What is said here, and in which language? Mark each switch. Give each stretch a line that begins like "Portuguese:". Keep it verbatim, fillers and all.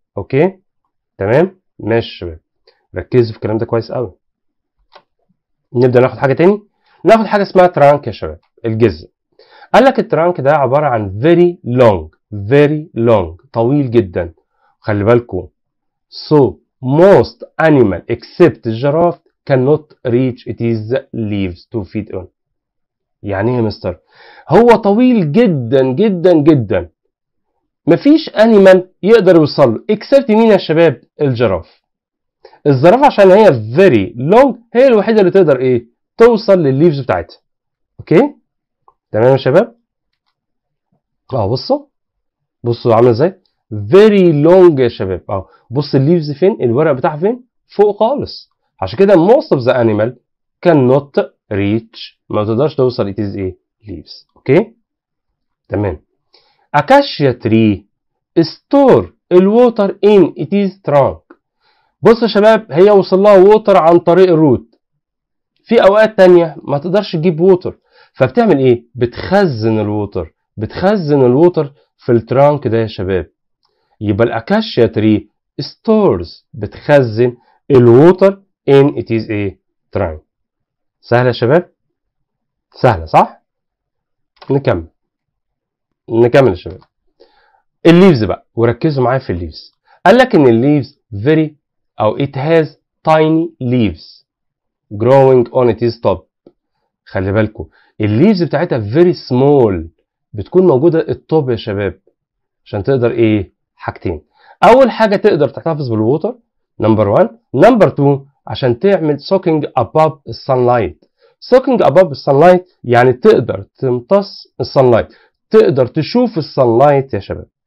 Arabic: اوكي تمام ماشي يا شباب، ركزوا في الكلام ده كويس قوي. نبدا ناخد حاجه تاني، ناخد حاجه اسمها ترانك يا شباب، الجذر. قال لك الترانك ده عباره عن
English: very long, very long
Arabic: طويل جدا، خلي بالكم.
English: so most animal except giraffe cannot reach its leaves to feed on.
Arabic: يعني ايه يا مستر؟ هو طويل جدا جدا جدا، مفيش انيمال يقدر يوصل له اكسبت مين يا شباب؟ الجراف. الزرافه عشان هي
English: very long
Arabic: هي الوحيده اللي تقدر ايه؟ توصل للليفز بتاعتها. اوكي تمام يا شباب اهو، بصوا بصوا عامله ازاي
English: very long
Arabic: يا شباب اهو. بص الليفز فين؟ الورق بتاعها فين؟ فوق خالص. عشان كده
English: most of the animal cannot reach،
Arabic: ما تقدرش توصل
English: it is ايه؟ leaves.
Arabic: اوكي تمام.
English: Acacia tree store الووتر in its trunk.
Arabic: بص يا شباب هي وصل لها ووتر عن طريق الروت، في اوقات تانية ما تقدرش تجيب ووتر، فبتعمل ايه؟ بتخزن الووتر، بتخزن الووتر في الترانك ده يا شباب. يبقى
English: الاكاشيا tree stores,
Arabic: بتخزن
English: الووتر in its ايه؟ Trunk.
Arabic: سهله يا شباب، سهله صح؟ نكمل نكمل يا شباب الليفز بقى، وركزوا معايا في الليفز. قال لك ان
English: الليفز very او it has tiny leaves growing on its top.
Arabic: خلي بالكم الليفز بتاعتها
English: very small،
Arabic: بتكون موجوده التوب يا شباب، عشان تقدر ايه؟ حاجتين. اول حاجه تقدر تحتفظ بالووتر نمبر واحد، نمبر اتنين عشان تعمل
English: soaking above
Arabic: السانلايت.
English: soaking above
Arabic: السانلايت يعني تقدر تمتص السانلايت، تقدر تشوف السانلايت يا شباب.